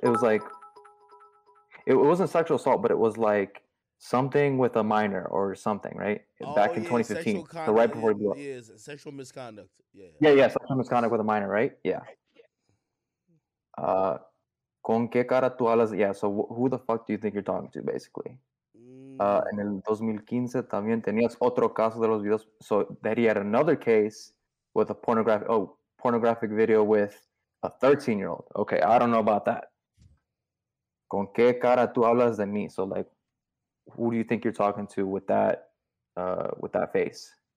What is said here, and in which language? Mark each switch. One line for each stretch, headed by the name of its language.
English: It was like, it wasn't sexual assault, but it was like something with a minor or something, right? Back in 2015. So right before he blew up. Yeah, sexual misconduct. Yeah, sexual misconduct with a minor, right? Yeah.
Spanish: Con qué cara tú hablas?
English: Yeah, so who the fuck do you think you're talking to, basically?
Spanish: En el 2015 también tenías otro caso de los videos.
English: So that he had another case with a pornographic video with a 13-year-old. Okay, I don't know about that.
Spanish: ¿Con qué cara tú hablas de mí?
English: So, like, who do you think you're talking to with that face?